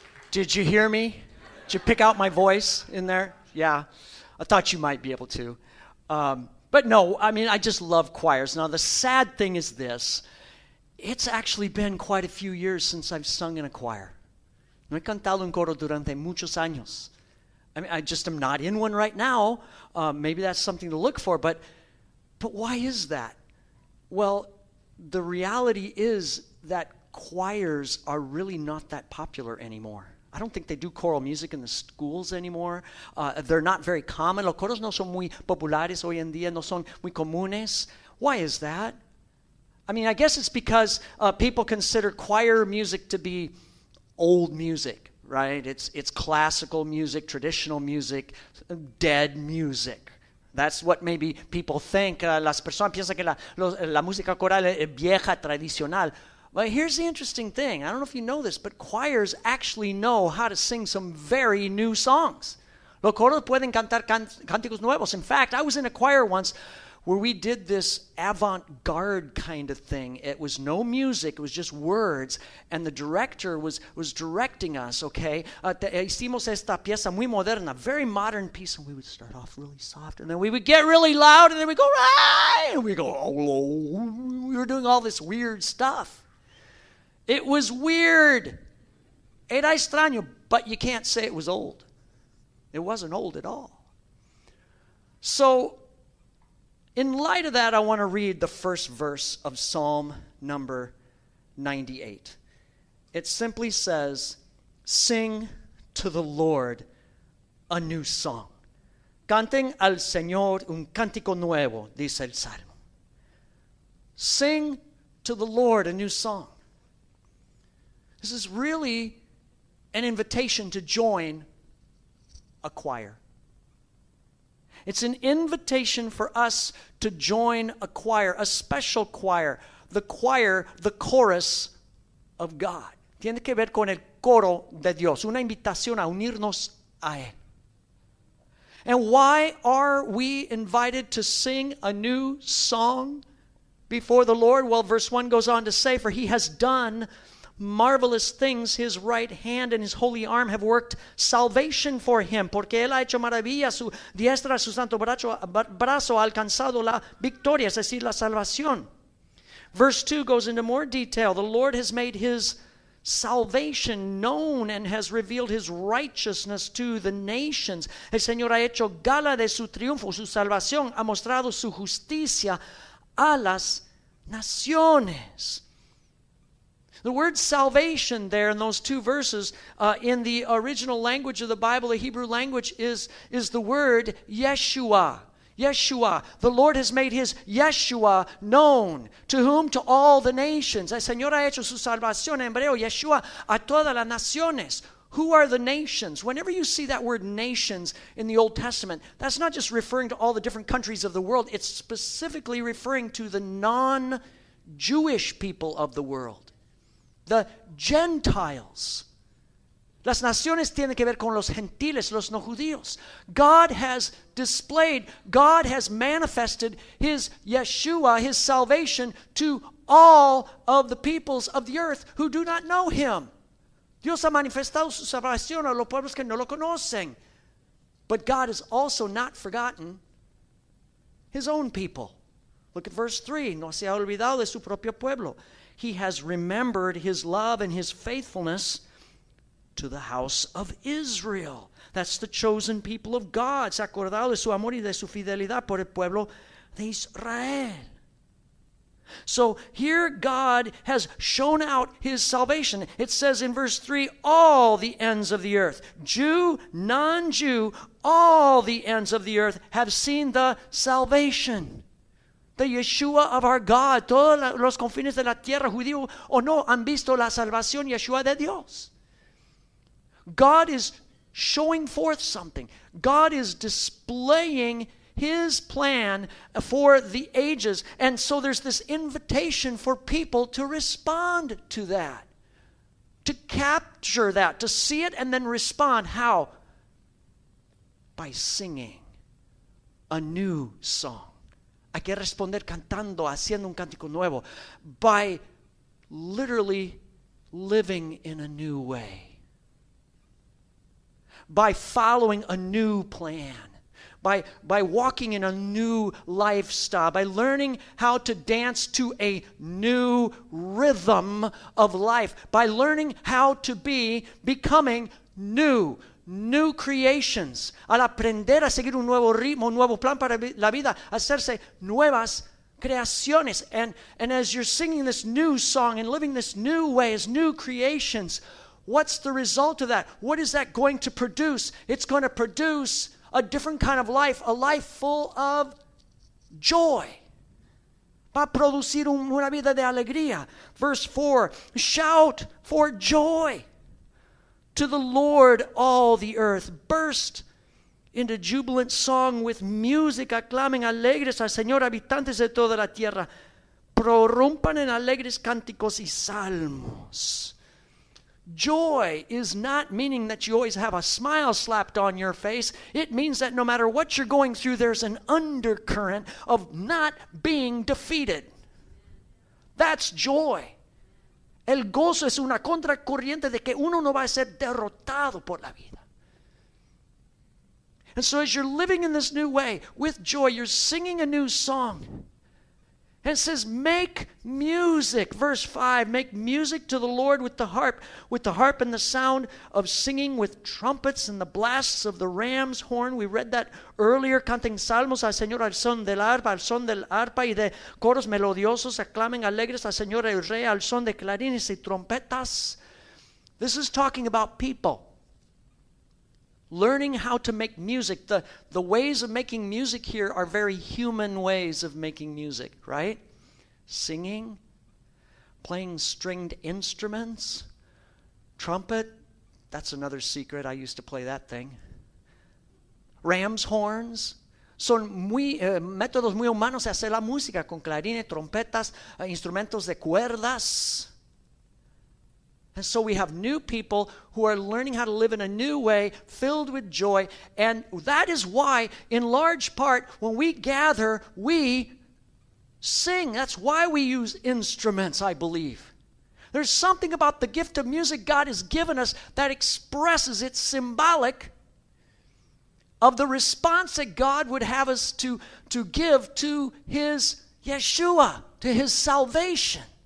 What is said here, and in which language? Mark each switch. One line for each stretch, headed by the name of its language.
English: Did you hear me? Did you pick out my voice in there? Yeah, I thought you might be able to. But no, I mean, I just love choirs. Now, the sad thing is this. It's actually been quite a few years since I've sung in a choir.
Spanish: No he cantado un coro durante muchos años.
English: I mean, I just am not in one right now. Maybe that's something to look for, but why is that? Well, the reality is that choirs are really not that popular anymore. I don't think they do choral music in the schools anymore. They're not very common.
Spanish: Los coros no son muy populares hoy en día. No son muy comunes.
English: Why is that? I mean, I guess it's because people consider choir music to be old music, right? It's classical music, traditional music, dead music. That's what maybe people think. Las personas piensan que la música coral es vieja, tradicional. Well, here's the interesting thing. I don't know if you know this, but choirs actually know how to sing some very new songs.
Spanish: Los coros pueden cantar cánticos nuevos.
English: In fact, I was in a choir once where we did this avant-garde kind of thing. It was no music, it was just words, and the director was directing us, okay?
Spanish: Hicimos esta pieza muy moderna,
English: very modern piece, and we would start off really soft, and then we would get really loud, and then we'd go, ah! And we'd go, oh, we were doing all this weird stuff. It was weird.
Spanish: Era extraño,
English: but you can't say it was old. It wasn't old at all. So, in light of that, I want to read the first verse of Psalm number 98. It simply says, "Sing to the Lord a new song."
Spanish: Canten al Señor un cántico nuevo, dice el Salmo.
English: Sing to the Lord a new song. This is really an invitation to join a choir. It's an invitation for us to join a choir, a special choir, the chorus of God.
Spanish: Tiene que ver con el coro de Dios, una invitación a unirnos a Él.
English: And why are we invited to sing a new song before the Lord? Well, verse 1 goes on to say, "For he has done marvelous things. His right hand and his holy arm have worked salvation for him."
Spanish: Porque él ha hecho maravillas, su diestra, su santo brazo ha alcanzado la victoria, es decir, la salvación.
English: Verse 2 goes into more detail. "The Lord has made his salvation known and has revealed his righteousness to the nations."
Spanish: El Señor ha hecho gala de su triunfo, su salvación, ha mostrado su justicia a las naciones.
English: The word salvation there in those two verses in the original language of the Bible, the Hebrew language, is the word Yeshua. Yeshua. "The Lord has made his Yeshua known." To whom? To all the nations.
Spanish: El Señor ha hecho su salvación, en hebreo, Yeshua, a todas las naciones.
English: Who are the nations? Whenever you see that word nations in the Old Testament, that's not just referring to all the different countries of the world. It's specifically referring to the non-Jewish people of the world. The Gentiles.
Spanish: Las naciones tienen que ver con los gentiles, los no judíos.
English: God has displayed, God has manifested his Yeshua, his salvation, to all of the peoples of the earth who do not know him.
Spanish: Dios ha manifestado su salvación a los pueblos que no lo conocen.
English: But God has also not forgotten his own people. Look at verse 3.
Spanish: No se ha olvidado de su propio pueblo.
English: "He has remembered his love and his faithfulness to the house of Israel." That's the chosen people of God.
Spanish: Se ha acordado de su amor y de su fidelidad por el pueblo de Israel.
English: So here God has shown out his salvation. It says in verse 3, "All the ends of the earth, Jew, non-Jew, all the ends of the earth have seen the salvation." The Yeshua of our God.
Spanish: Todos los confines de la tierra, judío o no, han visto la salvación, Yeshua de Dios.
English: God is showing forth something. God is displaying his plan for the ages. And so there's this invitation for people to respond to that, to capture that, to see it and then respond. How? By singing a new song.
Spanish: Hay que responder cantando, haciendo un cántico nuevo.
English: By literally living in a new way. By following a new plan, by walking in a new lifestyle, by learning how to dance to a new rhythm of life, by learning how to becoming new creations.
Spanish: Al aprender a seguir un nuevo ritmo, un nuevo plan para la vida, hacerse nuevas creaciones.
English: And as you're singing this new song and living this new way as new creations, what's the result of that? What is that going to produce? It's going to produce a different kind of life, a life full of joy.
Spanish: Va a producir una vida de alegría.
English: Verse 4, "Shout for joy to the Lord, all the earth. Burst into jubilant song with music.
Spanish: Aclamen alegres al Señor, habitantes de toda la tierra. Prorrumpan en alegres cánticos y salmos."
English: Joy is not meaning that you always have a smile slapped on your face. It means that no matter what you're going through, there's an undercurrent of not being defeated. That's joy.
Spanish: El gozo es una contracorriente de que uno no va a ser derrotado por la vida.
English: And so as you're living in this new way with joy, you're singing a new song, And it says, make music. Verse 5, make music to the Lord with the harp and the sound of singing, with trumpets and the blasts of the ram's horn. We read that earlier.
Spanish: Canten salmos al Señor, al son del arpa y de coros melodiosos. Aclamen alegres al Señor el Rey, al son de clarines y trompetas.
English: This is talking about people learning how to make music. The ways of making music here are very human ways of making music, right? Singing, playing stringed instruments, trumpet. That's another secret. I used to play that thing. Ram's horns.
Spanish: Son muy métodos muy humanos de hacer la música con clarines, trompetas, instrumentos de cuerdas.
English: And so we have new people who are learning how to live in a new way, filled with joy. And that is why, in large part, when we gather, we sing. That's why we use instruments, I believe. There's something about the gift of music God has given us that expresses, it's symbolic of the response that God would have us to give to His Yeshua, to His salvation.